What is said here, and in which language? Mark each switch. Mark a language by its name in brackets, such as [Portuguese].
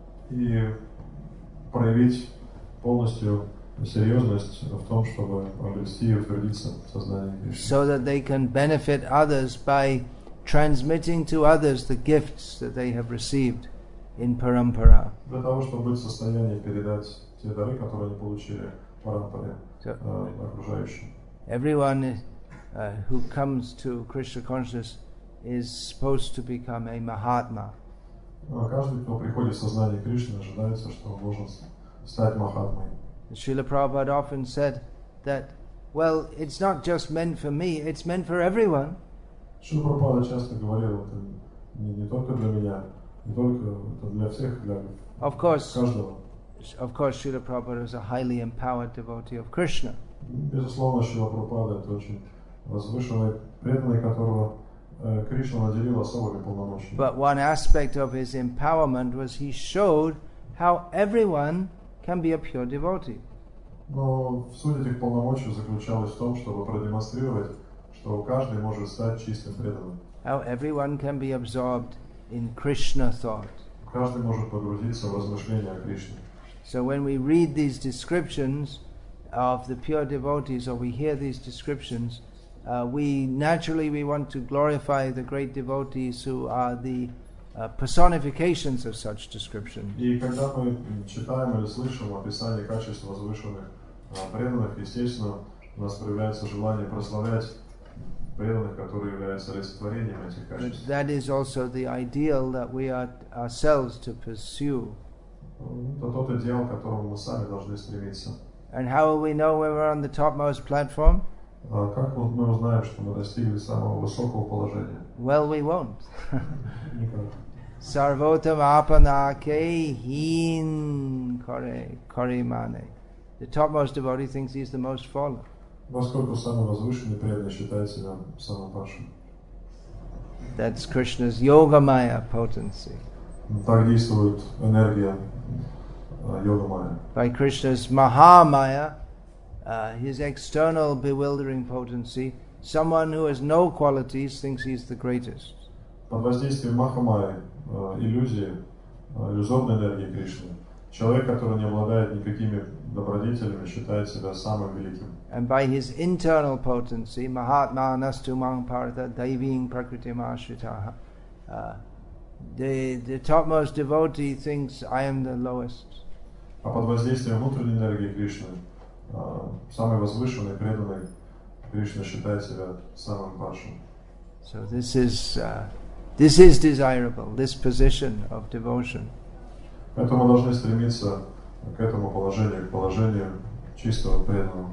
[Russian] И проявить полностью серьезность в том, чтобы обрести и утвердиться в сознании Кришны. [English] So that they can benefit others by transmitting to others the gifts that they have received in parampara. [Russian] Для того, чтобы быть в состоянии передать те дары, которые они получили в парампаре, окружающим. [English] Everyone who comes to Krishna consciousness is supposed to become a Mahatma. [Russian] Каждый, кто приходит в сознание Кришны, ожидается, что он должен стать Махатмой. [English] Srila Prabhupada often said that, well, it's not just meant for me, it's meant for everyone. [Russian] Шрила Прабхупада часто говорил, это не только для меня, не только это для всех, для [English] of course, [Russian] каждого. [English] Of course, Srila Prabhupada was a highly empowered devotee of Krishna. [Russian] Безусловно, Шрила Прабхупада это очень возвышенный преданный, которого Кришна наделил особыми полномочиями. [English] But one aspect of his empowerment was he showed how everyone can be a pure devotee. [Russian] Но суть этих полномочий заключалась в том, чтобы продемонстрировать, что каждый может стать чистым преданным. [English] How everyone can be absorbed in Krishna thought. [Russian] Каждый может погрузиться в размышления о Кришне. [English] So when we read these descriptions of the pure devotees, or we hear these descriptions, we want to glorify the great devotees who are the personifications of such descriptions. [Russian] И когда мы читаем или слышим описание качеств возвышенных преданных, естественно, у нас проявляется желание прославлять преданных, которые являются олицетворением этих качеств. [English] But that is also the ideal that we are ourselves to pursue. [Russian] Это тот идеал, к которому мы сами должны стремиться. [English] And how will we know when we're on the topmost platform? [Russian] Как мы узнаем, что мы достигли самого высокого положения? [English] Well, we won't. [Russian] Никак. [Bangla] Sarvotam apanake hin karimane. [English] The topmost devotee thinks he's the most fallen. [Russian] Поскольку самый возвышенный преданный считает себя самым падшим. [English] That's Krishna's yogamaya potency. [Russian] Так действует энергия yogamaya. [English] By Krishna's mahamaya, his external bewildering potency, someone who has no qualities thinks he's the greatest. [Russian] Под воздействием махамаи, иллюзорной энергии Кришны, человек, который не обладает никакими добродетелями, считает себя самым великим. [English] And by his internal potency, [Sanskrit] Mahatma Nastu Mangparatha Daiving Prakriti Mahashritaha, [English] the topmost devotee thinks I am the lowest. [Russian] А под воздействием внутренней энергии Кришны, самый возвышенный, преданный Кришна считает себя самым падшим. [English] So this is desirable, this position of devotion. [Russian] Поэтому мы должны стремиться к этому положению, к положению чистого преданного.